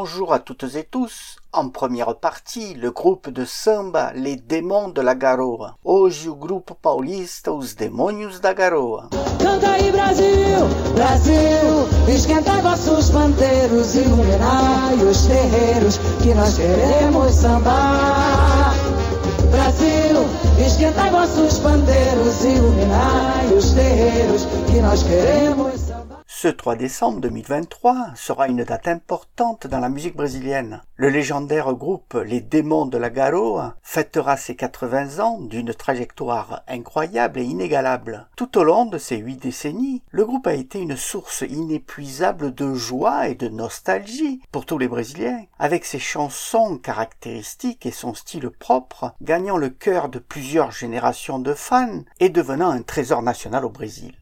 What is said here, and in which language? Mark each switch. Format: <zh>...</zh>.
<fr>À toutes et tous, en première partie, le groupe de samba Les Démons de la Garoa.</fr> <pt>Hoje, o grupo paulista Os Demônios da Garoa. Canta aí, Brasil, Brasil, esquentai vossos panteiros, iluminai os terreiros, que nós queremos sambar. Brasil, esquentai vossos panteiros, iluminai os terreiros, que nós queremos sambar.</pt> <fr>Ce 3 décembre 2023 sera une date importante dans la musique brésilienne. Le légendaire groupe Les Démons de la Garoa fêtera ses 80 ans d'une trajectoire incroyable et inégalable. Tout au long de ces 8 décennies, le groupe a été une source inépuisable de joie et de nostalgie pour tous les Brésiliens, avec ses chansons caractéristiques et son style propre, gagnant le cœur de plusieurs générations de fans et devenant un trésor national au Brésil.</fr>